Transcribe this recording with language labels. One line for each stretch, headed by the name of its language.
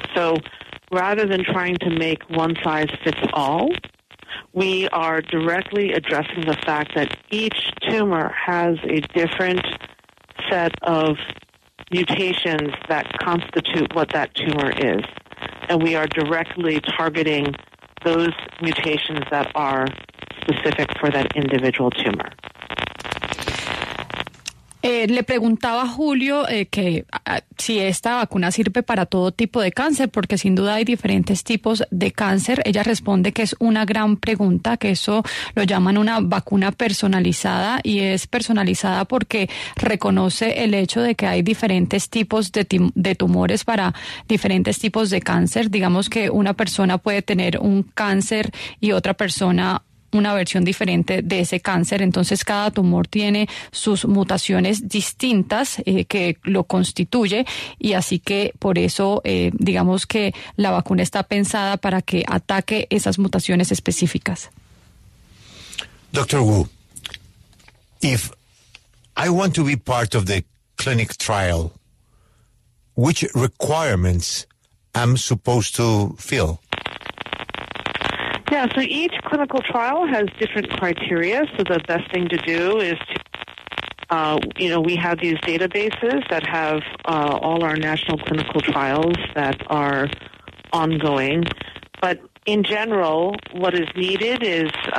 English: So rather than trying to make one size fits all, we are directly addressing the fact that each tumor has a different set of mutations that constitute what that tumor is. And we are directly targeting those mutations that are specific for that individual tumor.
Spanish: Le preguntaba a Julio que si esta vacuna sirve para todo tipo de cáncer, porque sin duda hay diferentes tipos de cáncer. Ella responde que es una gran pregunta, que eso lo llaman una vacuna personalizada, y es personalizada porque reconoce el hecho de que hay diferentes tipos de tumores para diferentes tipos de cáncer. Digamos que una persona puede tener un cáncer y otra persona una versión diferente de ese cáncer. Entonces cada tumor tiene sus mutaciones distintas que lo constituye, y así que por eso digamos que la vacuna está pensada para que ataque esas mutaciones específicas.
English: Dr. Wu, if I want to be part of the clinical trial, which requirements am supposed to fill? Yeah, so each clinical trial has different criteria, so the best thing to do is to, you know, we have these databases that have all our national clinical trials that are ongoing, but in general, what is needed is